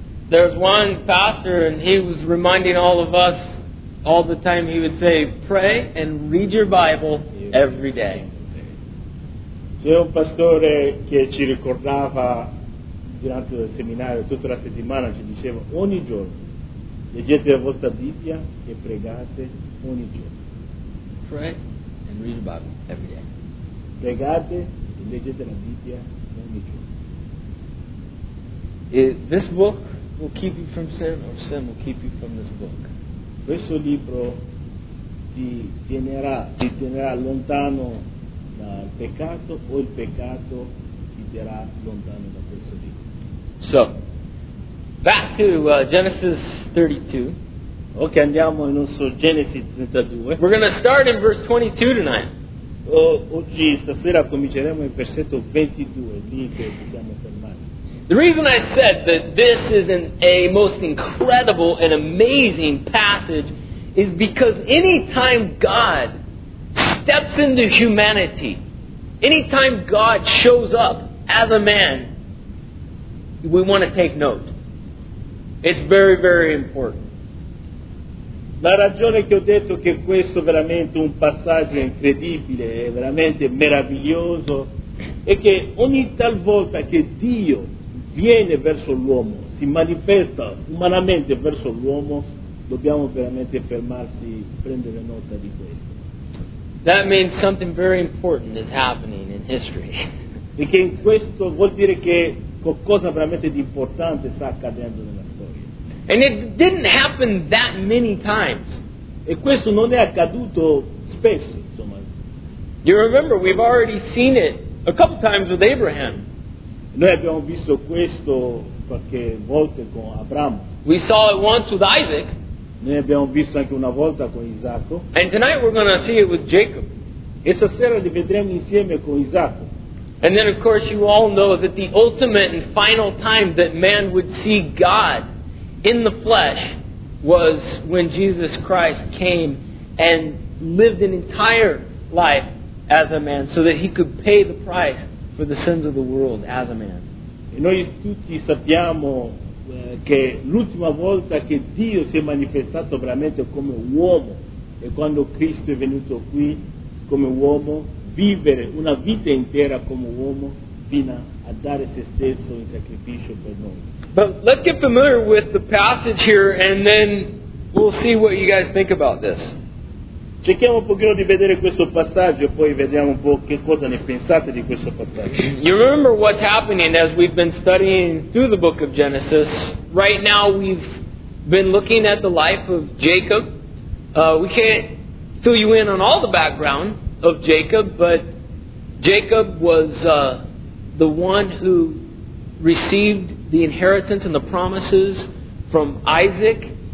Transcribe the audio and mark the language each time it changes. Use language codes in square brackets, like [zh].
[en] There's one pastor, and he was reminding all of us all the time. He would say, "Pray and read your Bible every day." [it] C'è un pastore che ci ricordava durante il seminario tutta la settimana. Ci diceva ogni giorno, leggete la vostra Bibbia e pregate ogni giorno. [en] Pray and read your Bible every day. [it] Pregate e leggete la Bibbia ogni giorno. [en] This book will keep you from sin, or sin will keep you from this book. [it] Questo libro ti tenerà lontano dal peccato, o il peccato ti terrà lontano da questo libro. [en] So, back to Genesis 32. [it] Ok, andiamo in nostro Genesi 32. [en] We're going to start in verse 22 tonight. [it] Oggi stasera cominceremo in versetto 22, lì che ci siamo fermati. [en] The reason I said that this is a most incredible and amazing passage is because any time God steps into humanity, any time God shows up as a man, we want to take note. It's very, very important. [it] La ragione che ho detto che questo è veramente un passaggio incredibile, è veramente meraviglioso, è che ogni talvolta che Dio viene verso l'uomo, si si manifesta umanamente verso l'uomo, dobbiamo veramente fermarsi, prendere nota di questo. [en] That means something very important is happening in history. [it] Perché in questo vuol dire che qualcosa veramente di importante sta accadendo nella storia. [en] And it didn't happen that many times. [it] E questo non è accaduto spesso, insomma. [en] You remember, we've already seen it a couple times with Abraham. [it] Noi abbiamo visto questo qualche volta con Abramo. [en] We saw it once with Isaac. [it] Noi abbiamo visto anche una volta con Isacco. [en] And tonight we're going to see it with Jacob. [it] E stasera li vedremo insieme con Isacco. [en] And then of course you all know that the ultimate and final time that man would see God in the flesh was when Jesus Christ came and lived an entire life as a man so that he could pay the price for the sins of the world as a man. [it] E noi tutti sappiamo che l'ultima volta che Dio si è manifestato veramente come uomo è quando Cristo è venuto qui come uomo, vivere una vita intera come uomo fino a dare se stesso in sacrificio per noi. [en] But let's get familiar with the passage here and then we'll see what you guys think about this. [it] Cerchiamo un pochino di vedere questo passaggio e poi vediamo un po' che cosa ne pensate di questo passaggio. [en] You remember what's happening as we've been studying through the book of Genesis. Right now we've been looking at the life of Jacob. We can't fill you in on all the background of Jacob, but Jacob was the one who received the inheritance and the promises from Isaac.